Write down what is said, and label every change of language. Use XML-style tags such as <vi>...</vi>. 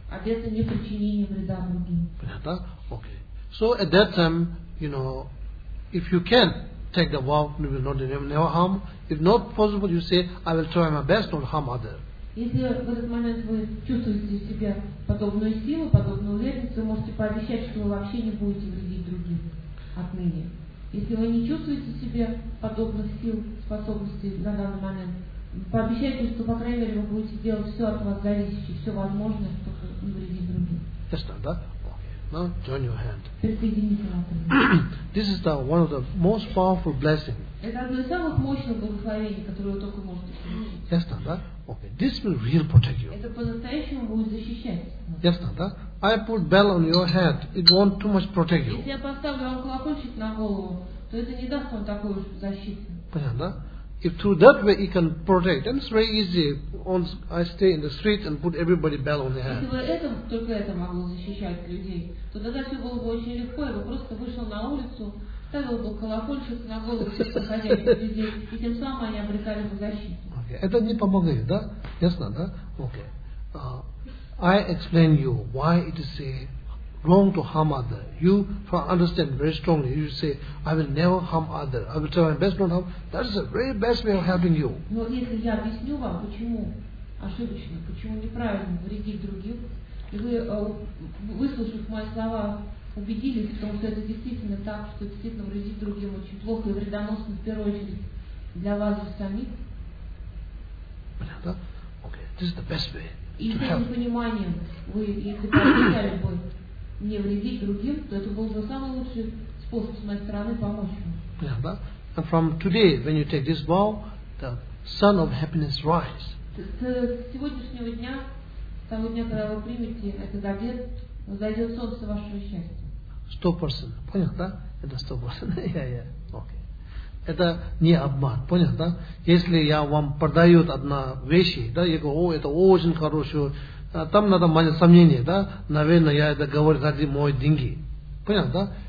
<ru>Обета не причинения вреда другим. Понятно? Okay.</ru> <en>So at that time, you know, if you can take the vow, you will not never harm. If not possible, you say, I will try my best, not harm other.</en> <ru>Если в этот момент вы чувствуете в себе подобную силу, подобную уверенность, вы можете пообещать, что вы вообще не будете вредить другим. Отныне. Если вы не чувствуете в себе подобных сил, способностей на данный момент, пообещайте, что, по крайней мере, вы будете делать все от вас зависящее, все возможное, чтобы не вредить другим.</ru> <en>Yes, not,</en> <ru>да?</ru> <en>Okay. Now, join your hand.</en> <ru>Присоедините руки.</ru> <en>This is the, one of the most powerful blessings.</en> <ru>Это одно из самых мощных благословений, которые вы только можете получить.</ru> <en>Yes, not,</en> <ru>да?</ru> <en>Okay. This will really protect you.</en> <ru>Это по-настоящему будет защищать.</ru> <en>Yes, not,</en> <ru>да?</ru> <en>I put bell on your head. It won't too much protect you.</en> <ru>Если я поставлю вам колокольчик на голову, то это не даст вам такую защиту. Понятно?</ru> <en>If through that way you can protect, then it's very easy. Once I stay in the street and put everybody bell on their head.</en> <ru>Если бы это только это могло защищать людей, то тогда все было бы очень легко. Я бы просто вышел на улицу, ставил бы колокольчик на голову всех проходящих людей, и тем самым они обретали бы защиту. Okay. Это не помогает, да? Ясно, да? Okay.</ru> <en>I explain you why it is a wrong to harm other. You understand very strongly. You say, I will never harm other. I will try my best not harm. That is the very best way of helping you.</en> <ru>Но если я объясню вам, почему ошибочно, почему неправильно вредить другим, и вы, выслушав мои слова, убедились в том, что это действительно так, что действительно вредить другим очень плохо и вредоносно, в первую очередь, для вас же самих. Понятно?</ru> <en>Okay. This is the best way.</en> <ru>И с этим пониманием вы, если бы обещали бы не вредить другим, то это был бы самый лучший способ с моей стороны помочь вам.</ru> <en>Yeah,</en> <ru>да?</ru> <en>And from today, when you take this vow, the sun of happiness rise.</en> <ru>С сегодняшнего дня, с того дня, когда вы примете этот обет, взойдет солнце вашего счастья. 100%. Понял, да? Это 100%. Yeah. Okay. Это не обман, понял, да? Если я вам продаю одна вещь, да, я говорю, о, это очень хорошее, а там надо мое сомнение, да, наверное, я это говорю ради моих деньги. Понял, да?</ru>